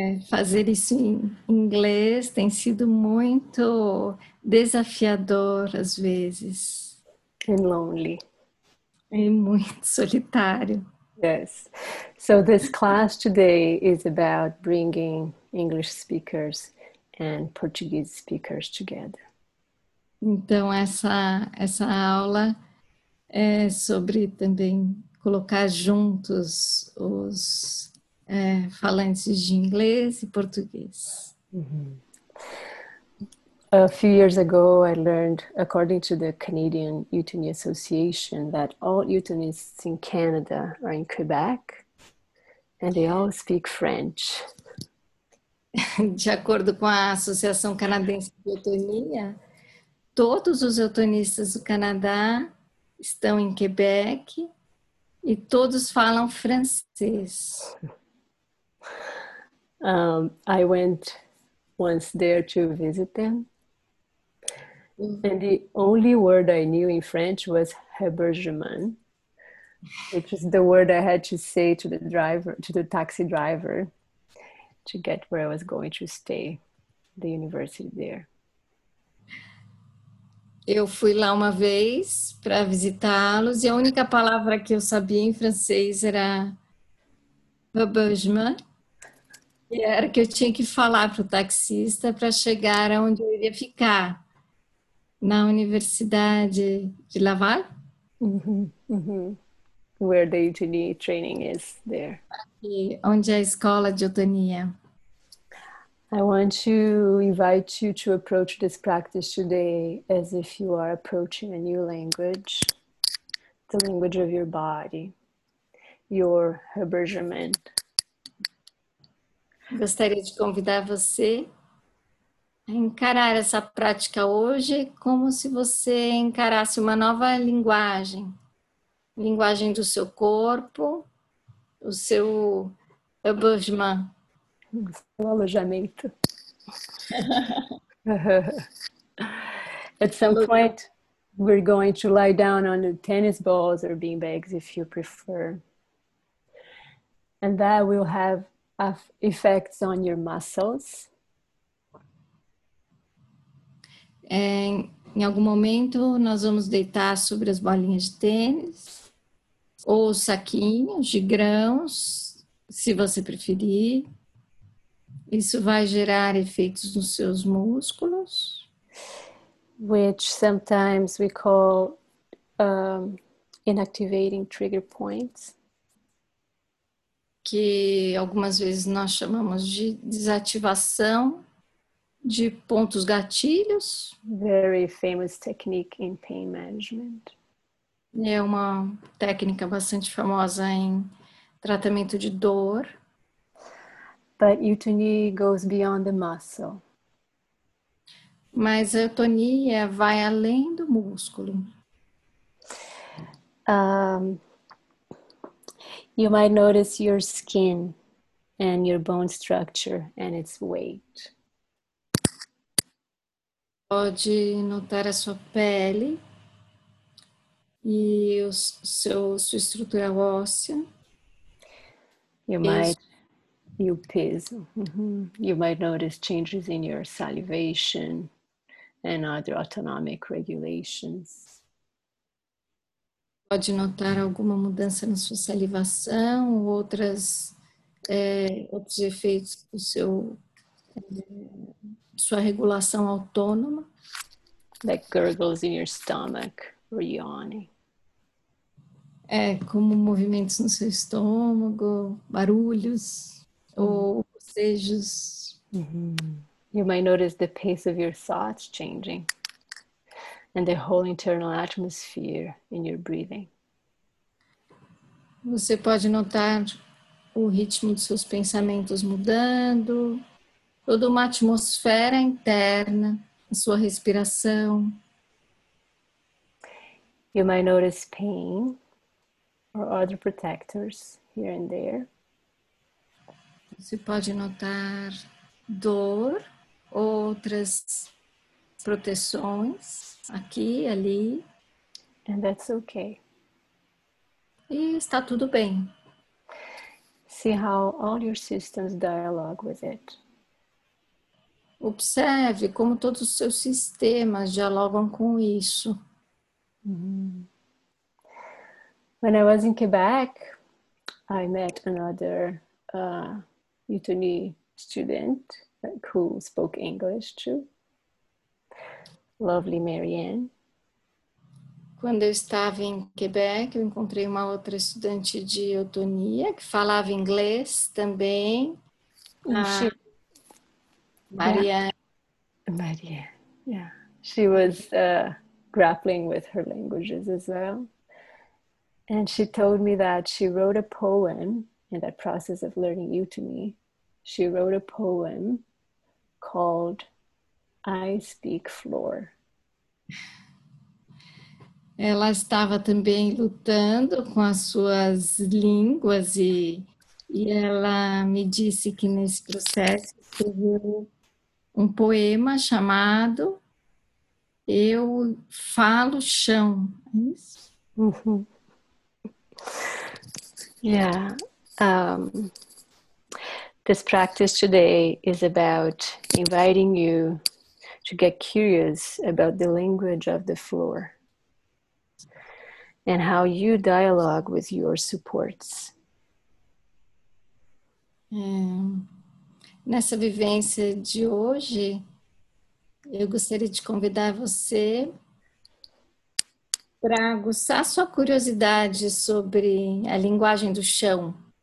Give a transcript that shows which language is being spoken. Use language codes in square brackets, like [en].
[pt] Fazer isso em inglês tem sido muito desafiador às vezes. [en] And lonely. [pt] E muito solitário. [en] Yes. So this class today is about bringing English speakers and Portuguese speakers together. [pt] Então, essa aula é sobre também colocar juntos os falantes de inglês e português. [en] A few years ago, I learned, according to the Canadian Utuni Association, that all Utunists in Canada are in Quebec, and they all speak French. [pt] De acordo com a Associação Canadense de Utunia, todos os eutonistas do Canadá estão em Quebec e todos falam francês. [en] I went once there to visit them. And the only word I knew in French was hébergement, which is the word I had to say to the driver, to the taxi driver, to get where I was going to stay, the university there. [pt] Eu fui lá uma vez para visitá-los e a única palavra que eu sabia em francês era hébergement. E era que eu tinha que falar para o taxista para chegar aonde eu iria ficar, na Universidade de Laval. [en] Where the Utuni training is there. [pt] Aqui, onde é a escola de Utunia. [en] I want to invite you to approach this practice today as if you are approaching a new language, the language of your body, your hébergement. [pt] Gostaria de convidar você a encarar essa prática hoje como se você encarasse uma nova linguagem, linguagem do seu corpo, o seu hébergement. Um alojamento. [en] At some point, we're going to lie down on the tennis balls or beanbags, if you prefer. And that will have effects on your muscles. [pt] Em algum momento, nós vamos deitar sobre as bolinhas de tênis ou saquinhos de grãos, se você preferir. Isso vai gerar efeitos nos seus músculos. [en] Which sometimes we call inactivating trigger points. [pt] Que algumas vezes nós chamamos de desativação de pontos gatilhos. [en] Very famous technique in pain management. [pt] É uma técnica bastante famosa em tratamento de dor. [en] But eutonia goes beyond the muscle. [pt] Mas a eutonia vai além do músculo. [en] You might notice your skin and your bone structure and its weight. [pt] Pode notar a sua pele e o seu sua estrutura óssea. [en] You might your peso. Mm-hmm. You might notice changes in your salivation and other autonomic regulations. [pt] Pode notar alguma mudança na sua salivação, outros efeitos do seu sua regulação autônoma. [en] Like gurgles in your stomach or yawning. [pt] É, como movimentos no seu estômago, barulhos ou bocejos. Mm-hmm. [en] You might notice the pace of your thoughts changing and the whole internal atmosphere in your breathing. [pt] Você pode notar o ritmo dos seus pensamentos mudando, toda uma atmosfera interna, a sua respiração. [en] You might notice pain or other protectors here and there. [pt] Você pode notar dor ou outras proteções aqui, ali. [en] And that's okay. [pt] E está tudo bem. [en] See how all your systems dialogue with it. [pt] Observe como todos os seus sistemas dialogam com isso. Mm-hmm. [en] When I was in Quebec, I met another Utoni student who spoke English too. Lovely Marianne. [pt] Quando eu estava em Quebec, eu encontrei uma outra estudante de eutonia que falava inglês também. Marianne. [en] Yeah. She was grappling with her languages as well. And she told me that she wrote a poem in that process of learning eutonia. She wrote a poem called I Speak Floor. [pt] Ela estava também lutando com as suas línguas e ela me disse que nesse processo escreveu um poema chamado Eu Falo Chão. É isso? Uhum. [en] Yeah. This practice today is about inviting you to get curious about the language of the floor and how you dialogue with your supports. [pt] Nessa vivência de hoje, eu gostaria de convidar você para aguçar sua curiosidade sobre a linguagem do chão.